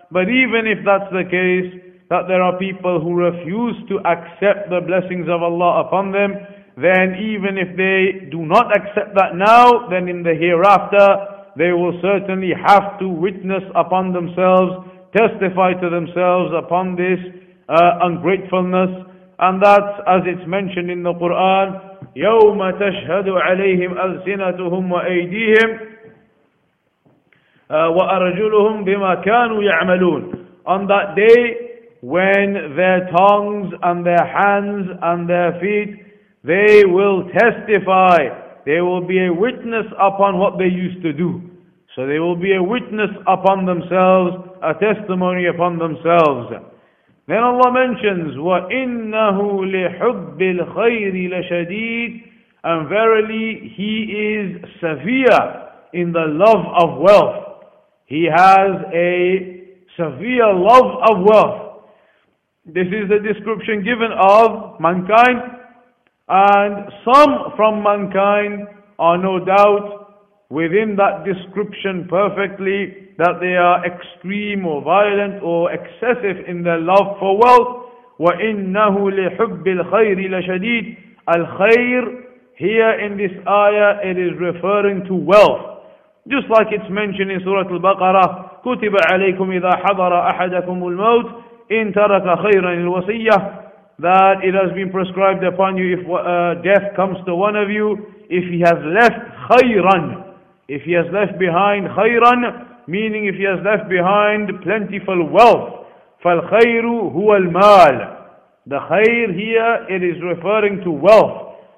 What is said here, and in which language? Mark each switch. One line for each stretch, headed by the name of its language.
English: But even if that's the case, that there are people who refuse to accept the blessings of Allah upon them, then even if they do not accept that now, then in the hereafter, they will certainly have to witness upon themselves, testify to themselves upon this ungratefulness. And that's as it's mentioned in the Quran,
Arabic: يَوْمَ تَشْهَدُ عَلَيْهِمْ أَلْسِنَتُهُمْ وَأَيْدِيهِمْ وَأَرَجُلُهُمْ بِمَا كَانُوا يَعْمَلُونَ.
English: On that day, when their tongues and their hands and their feet, they will testify, they will be a witness upon what they used to do. So they will be a witness upon themselves, a testimony upon themselves. Then Allah mentions,
Arabic: وَإِنَّهُ لِحُبِّ الْخَيْرِ لَشَدِيدٍ.
English: And verily, he is severe in the love of wealth. He has a severe love of wealth. This is the description given of mankind. And some from mankind are no doubt within that description perfectly, that they are extreme or violent or excessive in their love for wealth.
Arabic: وَإِنَّهُ لِحُبِّ الْخَيْرِ لَشَدِيدٍ.
English: الْخَيْرِ, here in this ayah, it is referring to wealth. Just like it's mentioned in Surah Al-Baqarah,
Arabic: كُتِبَ عَلَيْكُمْ إِذَا حَضَرَ أَحَدَكُمُ الْمَوْتِ إِن تَرَكَ خَيْرًا الْوَصِيَّةِ.
English: That it has been prescribed upon you if death comes to one of you, if he has left khayran, if he has left behind khayran, meaning if he has left behind plentiful wealth.
Arabic: Fal khayru huwa al mal.
English: The khayr here, it is referring to wealth.